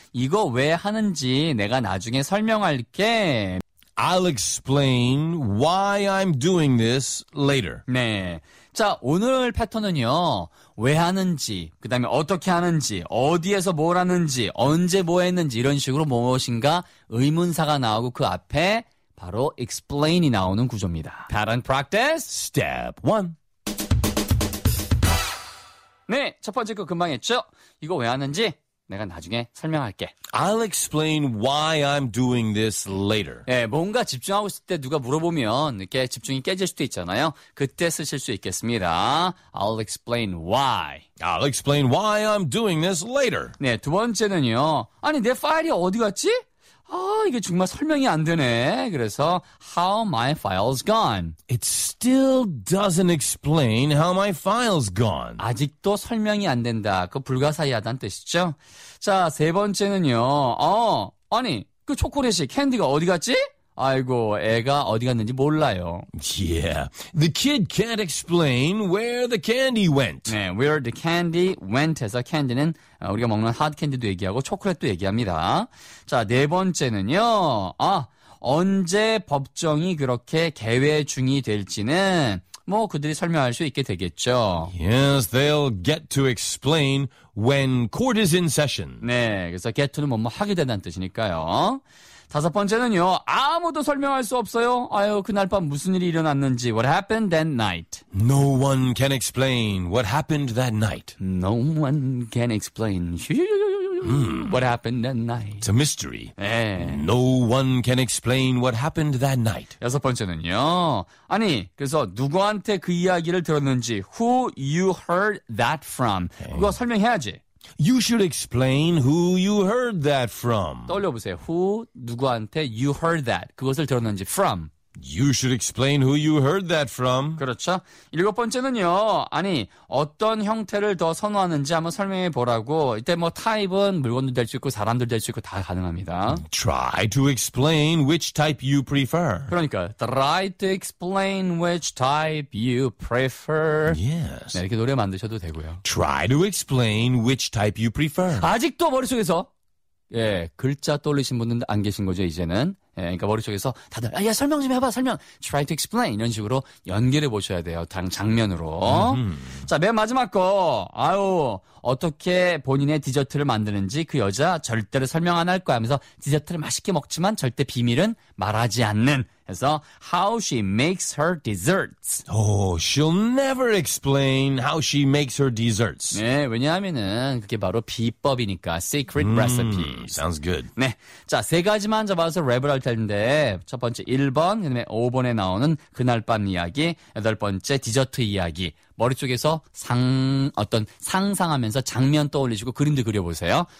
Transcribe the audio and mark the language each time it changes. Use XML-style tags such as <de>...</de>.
<ko>이거 왜 하는지 내가 나중에 설명할게.</ko> <en>I'll explain why I'm doing this later.</en> <ko>네. 자, 오늘 패턴은요. 왜 하는지, 그 다음에 어떻게 하는지, 어디에서 뭘 하는지, 언제 뭐 했는지 이런 식으로 무엇인가 의문사가 나오고 그 앞에 바로 explain이 나오는 구조입니다.</ko> <en>Pattern practice, step one.</en> <ko>네, 첫 번째 거 금방 했죠? 이거 왜 하는지 내가 나중에 설명할게.</ko> <en>I'll explain why I'm doing this later.</en> <ko>네, 뭔가 집중하고 있을 때 누가 물어보면 이렇게 집중이 깨질 수도 있잖아요. 그때 쓰실 수 있겠습니다.</ko> <en>I'll explain why. I'll explain why I'm doing this later.</en> <ko>네, 두 번째는요. 아니, 내 파일이 어디 갔지? 아, 이게 정말 설명이 안 되네. 그래서</ko> <en>how my file's gone. It still doesn't explain how my file's gone.</en> <ko>아직도 설명이 안 된다. 그 불가사의하다는 뜻이죠. 자, 세 번째는요. 아니, 그 초콜릿이 캔디가 어디 갔지? 아이고, 애가 어디 갔는지 몰라요.</ko> <en>Yeah, the kid can't explain where the candy went.</en> <ko>네,</ko> <en>where the candy went</en> <ko>해서 캔디는 우리가 먹는 핫캔디도 얘기하고 초콜릿도 얘기합니다. 자, 네 번째는요. 아, 언제 법정이 그렇게 개회 중이 될지는 뭐 그들이 설명할 수 있게 되겠죠.</ko> <en>Yes, they'll get to explain when court is in session.</en> <ko>네, 그래서 get to는 뭐 하게 된다는 뜻이니까요. 다섯 번째는요. 아무도 설명할 수 없어요. 아유, 그날 밤 무슨 일이 일어났는지.</ko> <en>What happened that night? No one can explain what happened that night. No one can explain what happened that night. It's a mystery.</en> <ko>네.</ko> <en>No one can explain what happened that night.</en> <ko>여섯 번째는요. 아니, 그래서 누구한테 그 이야기를 들었는지.</ko> <en>Who you heard that from?</en> <ko>그거 설명해야지.</ko> <en>You should explain who you heard that from.</en> <ko>떠올려보세요.</ko> <en>Who,</en> <ko>누구한테</ko> <en>you heard that.</en> <ko>그것을 들었는지 from.</ko> <en>You should explain who you heard that from.</en> <ko>그렇죠. 일곱 번째는요. 아니, 어떤 형태를 더 선호하는지 한번 설명해 보라고. 이때 뭐 타입은 물건도 될 수 있고 사람도 될 수 있고 다 가능합니다.</ko> <en>Try to explain which type you prefer.</en> <ko>그러니까</ko> <en>try to explain which type you prefer. Yes.</en> <ko>네, 이렇게 노래 만드셔도 되고요.</ko> <en>Try to explain which type you prefer.</en> <ko>아직도 머릿속에서 예, 글자 떠올리신 분들 안 계신 거죠, 이제는. 예, 그러니까 머릿속에서 다들 야, 설명 좀 해봐, 설명.</ko> <en>Try to explain.</en> <ko>이런 식으로 연결해 보셔야 돼요. 당 장면으로. 자, 맨 마지막 거. 아유, 어떻게 본인의 디저트를 만드는지 그 여자 절대로 설명 안 할 거야 하면서 디저트를 맛있게 먹지만 절대 비밀은 말하지 않는. 그래서</ko> <en>how she makes her desserts. Oh, she'll never explain how she makes her desserts.</en> <ko>네, 왜냐하면은 그게 바로 비법이니까</ko> <en>secret recipe. Sounds good.</en> <ko>네, 자, 세 가지만 잡아서 랩을 할 텐데 첫 번째 1번, 그다음에 5번에 나오는 그날 밤 이야기, 여덟 번째 디저트 이야기. 머릿속에서 어떤 상상하면서 장면 떠올리시고 그림도 그려보세요.</ko>